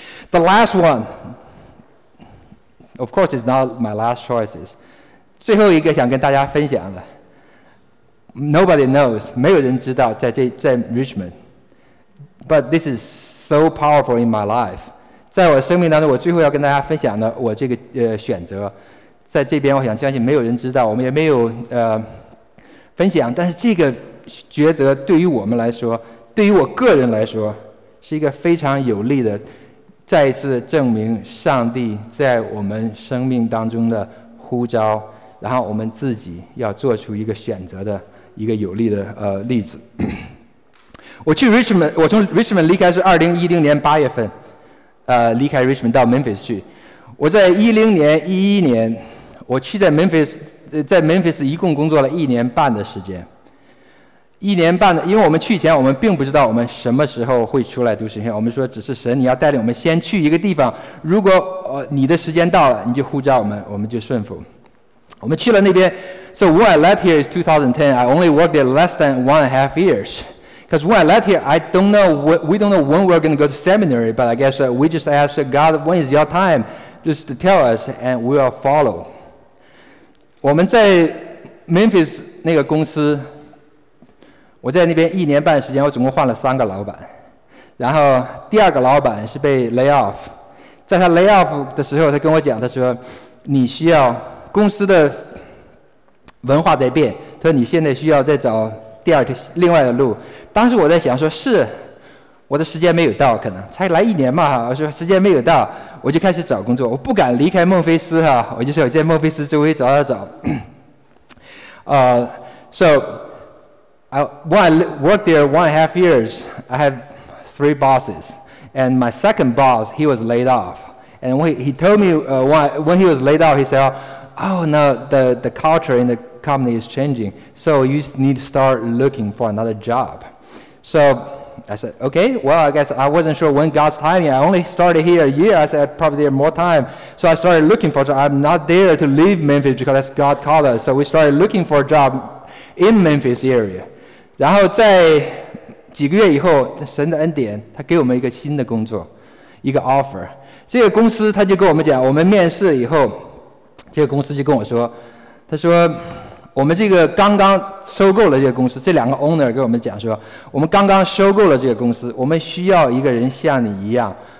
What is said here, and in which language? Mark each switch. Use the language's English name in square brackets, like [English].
[English] The last one, of course, is not my last choices. [Chinese] 最后一个想跟大家分享的 ， [English] Nobody knows, [Chinese] 没有人知道在 Richmond. [English] But this is so powerful in my life. [Chinese] 在我生命当中，我最后要跟大家分享的，我这个选择。在这边我想相信没有人知道，我们也没有分享，但是这个抉择对于我们来说，对于我个人来说，是一个非常有力的再一次证明上帝在我们生命当中的呼召，然后我们自己要做出一个选择的一个有力的例子。我去 Richmond， 我从 Richmond 离开是2010年8月份，离开 Richmond 到 Memphis 去。我在2010年、2011年，我去在 Memphis， 在 Memphis 一共工作了1.5年的时间。 1.5年，因为我们去前我们并不知道我们什么时候会出来读神学院，我们说只是神你要带领我们先去一个地方，如果你的时间到了，你就呼召我们，我们就顺服。我们去了那边 [English] ，So when I left here is 2010. I only worked there less than 1.5 years. Because when I left here, I don't know we don't know when we're going to go to seminary. But I guess we just ask God, when is your time? Just to tell us, and we will follow. [Chinese] 我们在 Memphis 那个公司，我在那边1.5年时间，我总共换了3个老板。然后第二个老板是被 lay off， 在他 lay off 的时候，他跟我讲，他说你需要。公司的文化在变，他说你现在需要再找第二条另外的路。当时我在想说，是我的时间没有到，可能才来1年嘛，我说时间没有到，我就开始找工作，我不敢离开孟菲斯哈，我就说我在孟菲斯周围找找找。 [English] So I, when I worked there 1.5 years, I had 3 bosses, and my second boss he was laid off, and he told me when he was laid off, he said,Oh, no, the culture in the company is changing. So you need to start looking for another job. So I said, okay, well, I guess I wasn't sure when God's timing. I only started here a year. I said, probably there more time. So I started looking for a job. I'm not there to leave Memphis because that's God called us. So we started looking for a job in Memphis area. [Chinese] 然后在几个月以后，神的恩典，他给我们一个新的工作，一个 offer. 这个公司他就跟我们讲，我们面试以后，这个公司就跟我说，他说我们这个刚刚收购了这个公司，这两个 owner 跟我们讲说，我们刚刚收购了这个公司，我们需要一个人像你一样